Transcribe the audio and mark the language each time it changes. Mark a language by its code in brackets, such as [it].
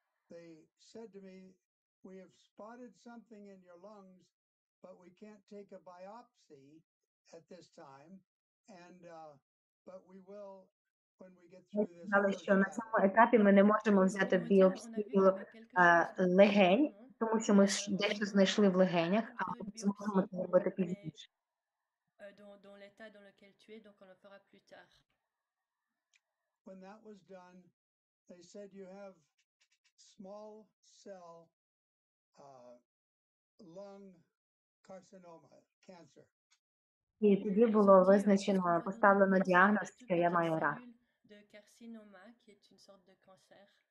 [en] They said to me, we have spotted something in your lungs, but we can't take a biopsy at this time. And but we will when we get through this. [uk] Але що на цьому етапі ми не можемо взяти біопсію легень, тому що ми дещо знайшли в легенях, а зможемо це робити пізніше. [fr] Dans l'état dans lequel tu es, donc on le fera plus tard. [en] When that was done, they said you have small cell lung carcinoma, cancer. [uk] І тоді було визначено, поставлено діагноз, що я маю рак. [fr] De carcinoma, qui est une sorte de cancer.